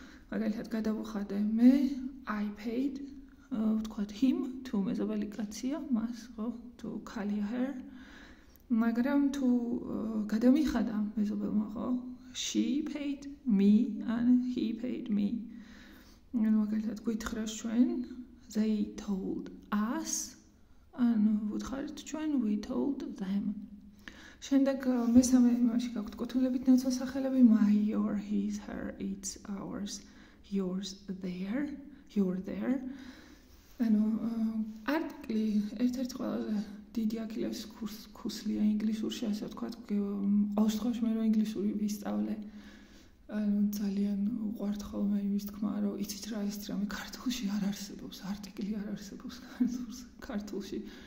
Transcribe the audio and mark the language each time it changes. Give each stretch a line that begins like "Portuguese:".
Georgian: მაგალითად გადავხადე მე
English: I paid,
Georgian: ვთქვათ
English: him,
Georgian: თუ მეზობელი კაცია მას, ხო, თუ ქალია
English: her.
Georgian: მაგრამ თუ გადამიხადა მეზობელმა, ხო,
English: she paid me and he paid me.
Georgian: ანუ მაგალითად გვითხრას ჩვენ
English: they told us,
Georgian: ანუ ვუთხარით ჩვენ
English: we told them.
Georgian: შემდეგ მესამე იმაში გაქვთ კუთვნილებით ნაცვალსახელები
English: my, your, his, her, its, ours, yours, their, you're there.
Georgian: ანუ არტიკლი ერთ-ერთი ყველაზე დიდი აქილეს ქუსლია ინგლისურში, ასე ვთქვათ, ყოველ შემთხვევაში მე რო ინგლისური ვისწავლე, ანუ ძალიან უყვართ ხოლმე იმის თქმა, რომ იცით რა ის რამე ქართულში არ არსებობს, არტიკლი არ არსებობს ქართულში.